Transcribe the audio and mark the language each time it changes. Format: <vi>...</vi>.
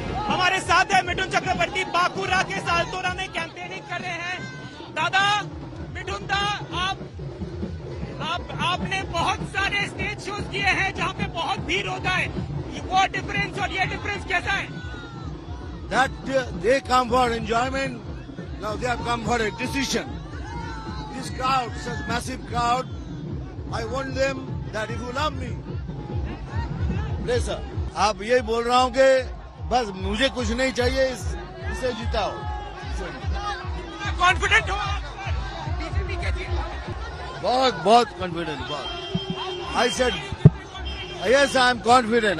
<hi>हमारे साथ है मिथुन चक्रवर्ती, बांकुरा के सालतोरा में कैंपेनिंग कर रहे हैं। दादा मिथुन दा, आपने बहुत सारे स्टेज शोज किए हैं जहाँ पे बहुत भीड़ होता है, वो डिफरेंस और ये डिफरेंस कैसा है?</hi> <en>That they come for enjoyment, now they have come for a decision. This crowd, such massive crowd, I want them that if you love me, please sir,</en> <hi>आप ये बोल रहा होंगे बस मुझे कुछ नहीं चाहिए, इसे जिताओ। कॉन्फिडेंट हो? बहुत बहुत कॉन्फिडेंट, बहुत।</hi> <en>I said, yes, I am confident.</en>